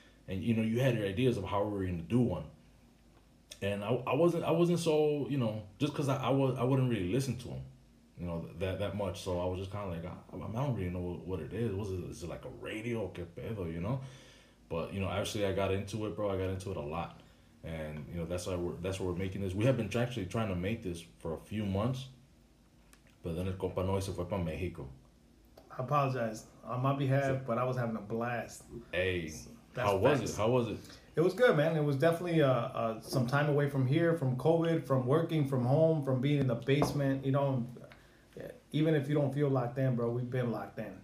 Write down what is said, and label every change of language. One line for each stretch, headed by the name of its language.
English: And you know, you had your ideas of how we were going to do one. And I wasn't so, you know, just because I wouldn't really listen to him, you know, that much. So I was just kind of like, I don't really know what it is. Is it like a radio?
Spanish: Que pedo,
English: you know? But, you know, actually I got into it, bro. I got into it a lot. And, you know, that's why we're making this. We have been actually trying to make this for a few months. But then
Spanish: el compa Noe se fue para Mexico.
English: I apologize on my behalf, but I was having a blast. Hey, how was it? It was good, man. It was definitely some time away from here, from COVID, from working from home, from being in the basement. You know, even if you don't feel locked in, bro, we've been locked in.